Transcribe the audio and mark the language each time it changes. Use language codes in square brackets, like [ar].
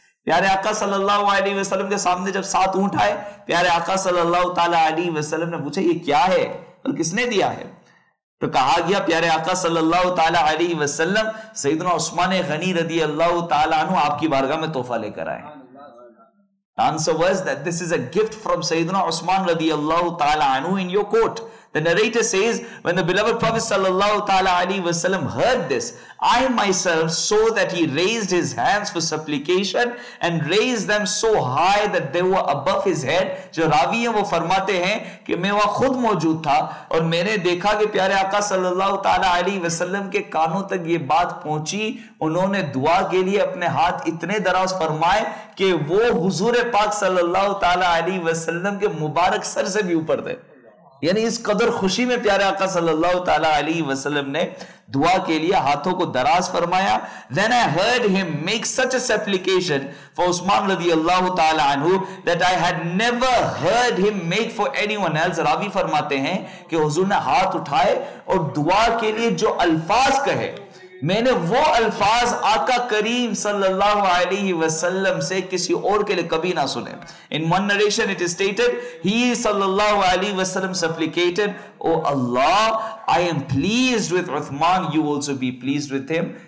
[hi] प्यारे आका सल्लल्लाहु अलैहि वसल्लम के सामने जब 7 ऊंट आए, प्यारे आका सल्लल्लाहु ताला अलैहि वसल्लम ने पूछा, ये क्या है और किसने दिया है? तो कहा गया प्यारे आका सल्लल्लाहु ताला अलैहि वसल्लम, सैयदना उस्मान गनी रदी अल्लाहु ताला अनु आपकी बारगाह में तोहफा लेकर आए। [en] The answer was that this is a gift from सैयदना उस्मान रदी अल्लाहु ताला अनु in your court. The narrator says, when the beloved Prophet sallallahu ta'ala alayhi wa sallam heard this, I myself saw that he raised his hands for supplication and raised them so high that they were above his head. [hi] Jo ravi hai wo farmate hain ki main wahan khud maujood tha aur maine dekha ki pyare aqa sallallahu ta'ala alayhi wa sallam ke kaano tak ye baat pahunchi, unhone dua ke liye apne haath itne daraz farmaye ki wo huzur e pak sallallahu ta'ala alayhi wa sallam ke mubarak sar se bhi upar the। यानी इस कदर खुशी में प्यारे आका सल्लल्लाहु ताला अलैहि वसल्लम ने दुआ के लिए हाथों को दराज फरमाया। [en] Then I heard him make such a supplication for Usman radiyallahu ta'ala anhu that I had never heard him make for anyone else। [hi] Ravi फरमाते हैं कि हुजूर ने हाथ उठाए और दुआ के लिए जो अल्फाज कहे, मैंने वो अल्फाज आका करीम सल्लल्लाहु अलैहि वसल्लम से किसी और के लिए कभी ना सुने। [en] In one narration it is stated, he सल्लल्लाहु अलैहि वसल्लम supplicated, O Allah I am pleased with Usman, you also be pleased with him.